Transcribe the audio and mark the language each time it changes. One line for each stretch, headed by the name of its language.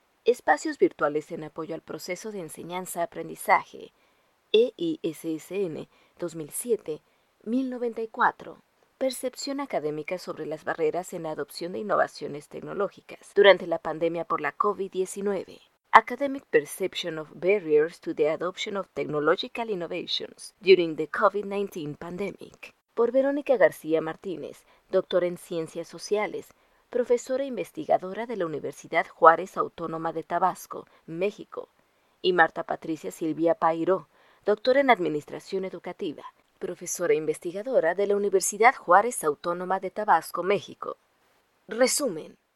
Spanish: Espacios virtuales en apoyo al proceso de enseñanza-aprendizaje, EISSN 2007-1094. Percepción académica sobre las barreras en la adopción de innovaciones tecnológicas durante la pandemia por la COVID-19.
English: Academic Perception of Barriers to the Adoption of Technological Innovations During the COVID-19 Pandemic.
Spanish: Por Verónica García Martínez, doctora en Ciencias Sociales, profesora e investigadora de la Universidad Juárez Autónoma de Tabasco, México. Y Marta Patricia Silvia Pairó, doctora en Administración Educativa, profesora e investigadora de la Universidad Juárez Autónoma de Tabasco, México. Resumen.